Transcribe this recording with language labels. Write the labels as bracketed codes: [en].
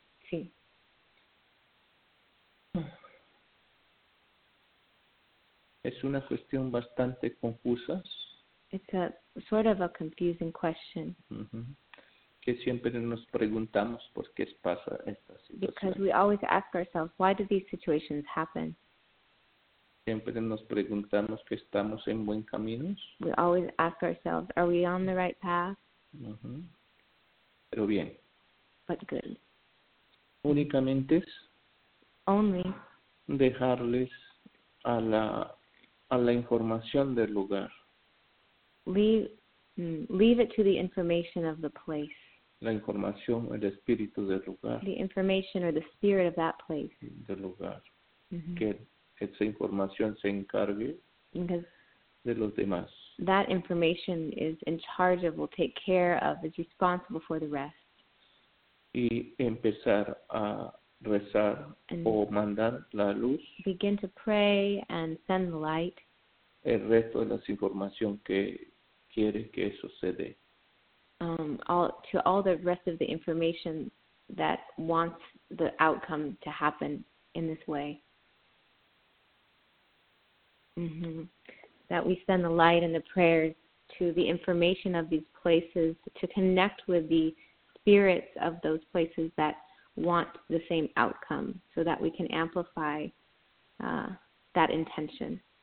[es] Sí. Es una cuestión bastante confusa. [en] It's a sort of a confusing question. [es] Que siempre nos preguntamos por qué pasa esta situación. [en] Because we always ask ourselves, why do these situations happen? [es] Siempre nos preguntamos que estamos en buen camino. [en] We always ask ourselves, are we on the right path? [es] Pero bien. [en] But good. [es] Únicamente es [en] only [es] dejarles a la información del lugar. [en] Leave it to the information of the place. [es] La información o el espíritu del lugar. [en] The information or the spirit of that place. [es] Del lugar. Que esa información se encargue de los demás. [en] That information is in charge of, will take care of, is responsible for the rest. [es] Y empezar a rezar o mandar la luz. [en] Begin to pray and send the light. [es] El resto de la información que quiere que eso se dé. [en] To all the rest of the information that wants the outcome to happen in this way. That we send the light and the prayers to the information of these places to connect with the spirits of those places that want the same outcome so that we can amplify that intention.